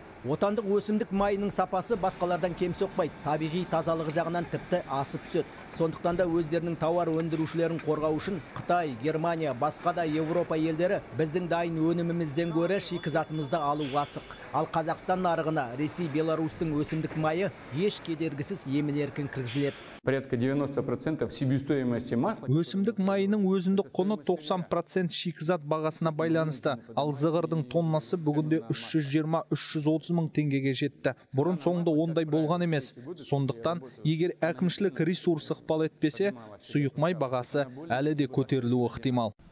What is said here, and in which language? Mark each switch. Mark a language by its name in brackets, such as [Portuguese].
[Kazakh] Отандық өсімдік майының сапасы басқалардан кем соқпайды. Табиғи тазалығы жағынан тіпті асып түседі. Сондықтан да өздерінің тауар өндірушілерін қорғау үшін Қытай, Германия, басқа да Еуропа елдері біздің дайын өнімімізден гөрі шикізатымызды алуға асық. Ал Қазақстан нарығына Ресей, Беларусьтің өсімдік майы еш кедергісіз емін-еркін кіргізіледі. [Russian] Порядка 90% себестоимости масла. [Kazakh] Өсімдік майының өзіндік құны 90% шикізат бағасына байланысты. Ал зығырдың тоннасы бүгінде 320-330 мың теңгеге жетті. Бұрын соңында ондай болған емес. Сондықтан, егер әкімшілік ресурс ықпал етпесе, сұйық май бағасы әлі де көтерілуі ықтимал.